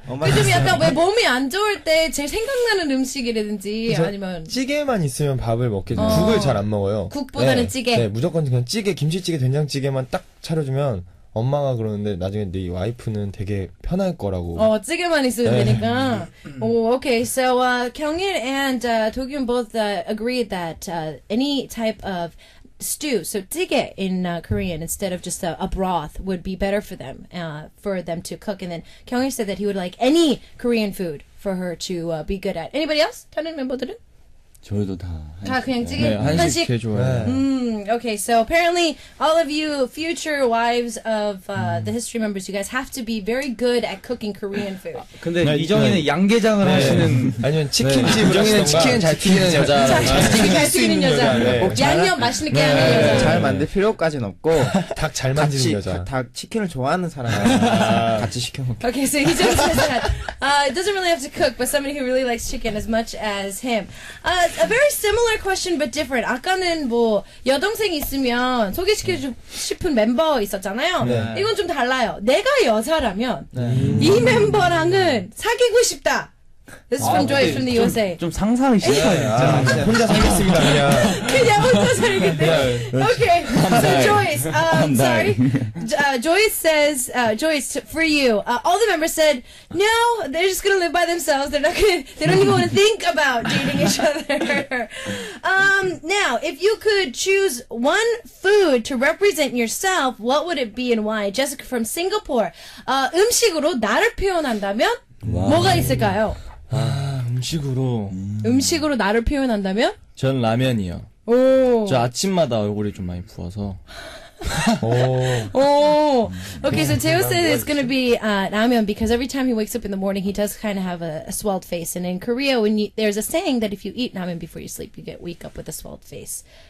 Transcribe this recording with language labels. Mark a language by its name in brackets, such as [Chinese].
[Korean] 좀 약간 왜 몸이 안 좋을 때 제일 생각나는 음식이라든지 아니면 찌개만 있으면 밥을 먹겠죠. 국을 잘 안 먹어요. 국보다는 네. 찌개. 네, 무조건 그냥 찌개, 김치찌개, 된장찌개만 딱 차려주면 엄마가 그러는데 나중에 네 와이프는 되게 편할 거라고. 찌개만 있으면 네. 되니까. 오, okay. [English] So, 경일 and 도균 both agreed that any type of stew, so 찌개 in Korean instead of just a broth would be better for them to cook. And then 경희 said that he would like any Korean food for her to be good at. Anybody else? [Korean] 다른 멤버들은? 저희도 다 다 그냥 찌개 네, 한식 제일 좋아해. [English] 오케이, so apparently all of you future wives of the history members, you guys have to be very good at cooking Korean food. [Korean] 근데 네, 이정희는 네. 양계장을 네. 하시는 아니면 치킨집 이정희는 네. 치킨 잘 튀기는 여자. 치킨 잘 튀기는 여자. 양념 맛있게 하는 여자. 잘 만들 필요까지는 없고 닭 잘 만드는 여자. 닭 치킨을 좋아하는 사람 같이 시켜 먹게. [English] Okay, so he just said that it doesn't really have to cook, but somebody who really likes chicken as much as him. A very similar question but different. [Korean] 아까는 뭐 여동생 있으면 소개시켜 주 싶은 멤버 있었잖아요. 네. 이건 좀 달라요. 내가 여자라면 네. 이 멤버랑은 사귀고 싶다. [English] This is from Joy from the USA. [Korean] 좀 상상이 싫어요. 혼자 살겠습니다. 그냥 혼자 살겠대. Okay. [English] So Joyce, sorry. Joyce says, Joyce, for you, all the members said, no, they're just going to live by themselves. They're not going to, they don't even want to think about dating each other. Now, if you could choose one food to represent yourself, what would it be and why? [Korean] Jessica from Singapore, 음식으로 나를 표현한다면 와. 뭐가 있을까요? 아, 음식으로. 음식으로 나를 표현한다면? 전 라면이요. 오. 저 아침마다 얼굴이 좀 많이 부어서. [English] Oh. Okay, so Teo said it's going to be ramyeon because every time he wakes up in the morning, he does kind of have a swelled face. And in Korea, when you, there's a saying that if you eat ramyeon before you sleep, you get wake up with a swelled face.